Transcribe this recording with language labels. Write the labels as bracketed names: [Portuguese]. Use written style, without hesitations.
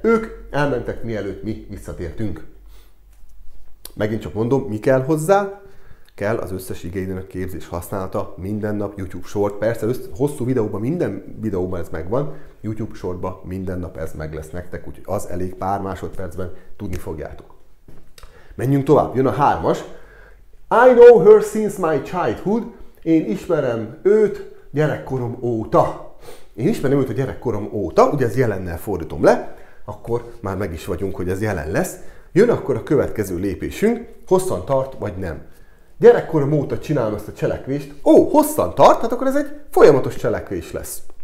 [Hungarian] Ők elmentek, mielőtt mi visszatértünk. Megint csak mondom, mi kell hozzá? Kell az összes igénynek képzés használata, minden nap YouTube short. Persze hosszú videóban, minden videóban ez megvan. YouTube shortban minden nap ez meg lesz nektek, úgyhogy az elég pár másodpercben tudni fogjátok. Menjünk tovább, jön a hármas. [English] I know her since my childhood. [Hungarian] Én ismerem őt gyerekkorom óta. Én ismerem őt a gyerekkorom óta, ugye ez jelennel fordítom le, akkor már meg is vagyunk, hogy ez jelen lesz. Jön akkor a következő lépésünk, hosszan tart vagy nem. Gyerekkorom óta csinálom ezt a cselekvést, hosszan tart, hát akkor ez egy folyamatos cselekvés lesz.